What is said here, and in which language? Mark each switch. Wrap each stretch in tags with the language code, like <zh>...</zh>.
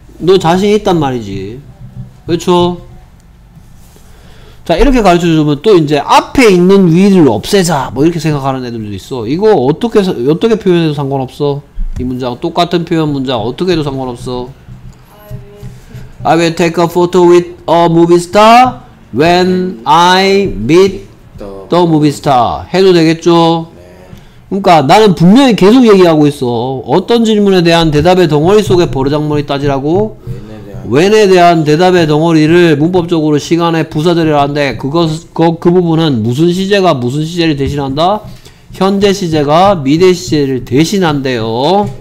<ko>너 자신 있단 말이지. 그렇죠? 자 이렇게 가르쳐주면 또 이제 앞에 있는 위를 없애자 뭐 이렇게 생각하는 애들도 있어. 이거 어떻게 표현해도 상관없어. 이 문장 똑같은 표현 문장 어떻게 해도 상관없어.</ko> <en>I will take a photo with a movie star when I meet the movie star</en> <ko>해도 되겠죠. 그러니까 나는 분명히 계속 얘기하고 있어. 어떤 질문에 대한 대답의 덩어리 속에 버르장머리 따지라고. when에 대한 대답의 덩어리를 문법적으로 시간에 부사절이라는데 그 부분은 무슨 시제가 무슨 시제를 대신한다. 현재 시제가 미래 시제를 대신한대요.</ko>